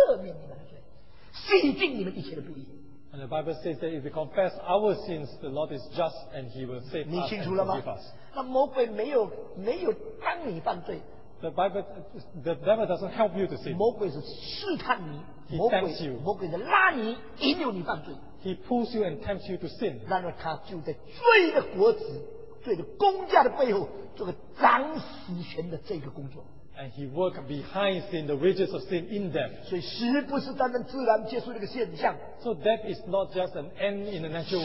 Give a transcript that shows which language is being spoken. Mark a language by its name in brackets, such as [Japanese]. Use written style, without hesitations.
[Chinese] 若认魔鬼，什么？不，再次，一二三。我们若认撒旦的罪，是不是？不是，再次，一二三。我们若认自己的罪，上帝是公义的，上帝是信的，必要赦免你们的罪，洗净你们一切的不义。 [English] And the Bible says that if we confess our sins, the Lord is just and He will save us. [Chinese] 你清楚了吗？ [English] And forgive us. [Chinese] 那魔鬼没有帮你犯罪。 [English] The devil doesn't help you to sin. [Chinese] 魔鬼是试探你, [English] he tempts you. [Chinese] 魔鬼是拉你, 引诱你犯罪。 [English] He pulls you and tempts you to sin. [Chinese] 然而他就在罪的果子, 罪的公价的背后, 做个掌死权的这个工作。 [English] And he worked behind sin, the wages of sin in them. So death is not just an end in the natural